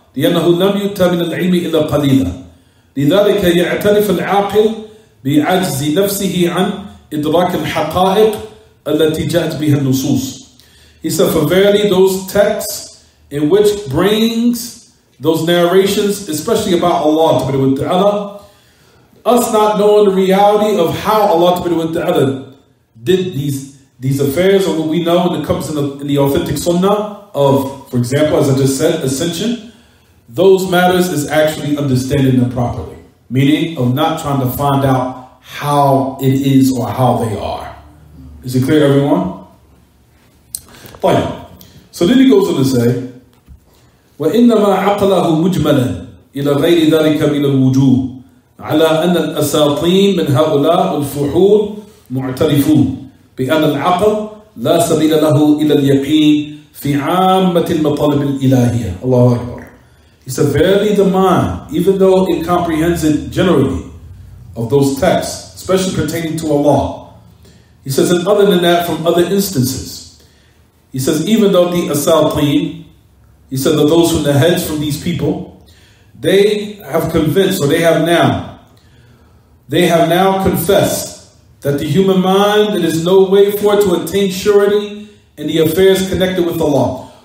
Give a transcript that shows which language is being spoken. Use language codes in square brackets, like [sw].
[ar] لأنه لم يؤتى من العلم إلا قليلا لذلك يعترف العاقل بعجز نفسه عن إدراك الحقائق التي جاءت بها النصوص. [en] He said, for verily those texts in which brings those narrations, especially about Allah Ta'ala, us not knowing the reality of how Allah Ta'ala did these affairs, or what we know when it comes in the authentic sunnah of, for example, as I just said, ascension, those matters is actually understanding them properly. Meaning of not trying to find out how it is or how they are. Is it clear, everyone? Fine. So then he goes on to say, [ar] وَإِنَّمَا عَقْلَهُ مُجْمَلًا إلى غير ذلك من الوجوه على أن الأساطين من هؤلاء الفحول معترفون بأن العقل لا سبيل له إلى اليقين في عامة المطالب الإلهية. الله أكبر. [en] He's a very demand, even though incomprehensive generally, of those texts, especially pertaining to Allah. He says, and other than that, from other instances, he says, even though the Asalteen, he said that those from the heads from these people, they have convinced, or they have now confessed that the human mind, there is no way for it to attain surety in the affairs connected with Allah.